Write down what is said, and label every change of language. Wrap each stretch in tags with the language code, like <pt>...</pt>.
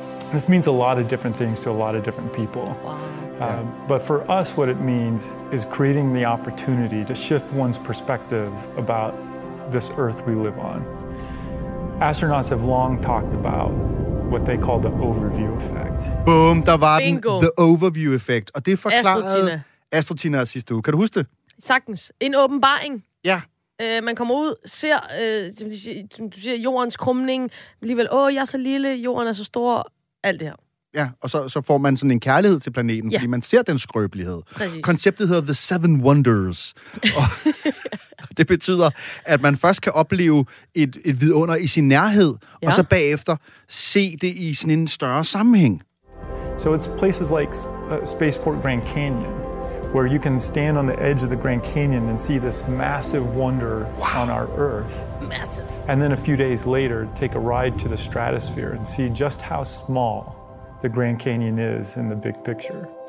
<en>This means a lot of different things to a lot of different people. Wow. But for us, what it means is creating the opportunity to shift one's perspective about this Earth we live on. Astronauts have long talked about what they call the overview effect.</en> <da>Boom, der var den,</da> <en>the overview effect.</en> <da>Og det forklarede Astrotina sidste uge. Kan du huske det? Sagtens. En åbenbaring. Ja. Man kommer ud, ser, som du siger, jordens krumning. Alligevel, jeg er så lille, jorden er så stor. Alt det her. Ja, og så får man sådan en kærlighed til planeten, fordi man ser den skrøbelighed. Præcis. Konceptet hedder The Seven Wonders. Og det betyder, at man først kan opleve et vidunder i sin nærhed, og så bagefter se det i sådan en større sammenhæng.</da> <en>So it's places like Spaceport Grand Canyon, where you can stand on the edge of the Grand Canyon and see this massive wonder on our Earth. Massive. And then a few days later, take a ride to the stratosphere and see just how small the Grand Canyon is in the big picture.</en>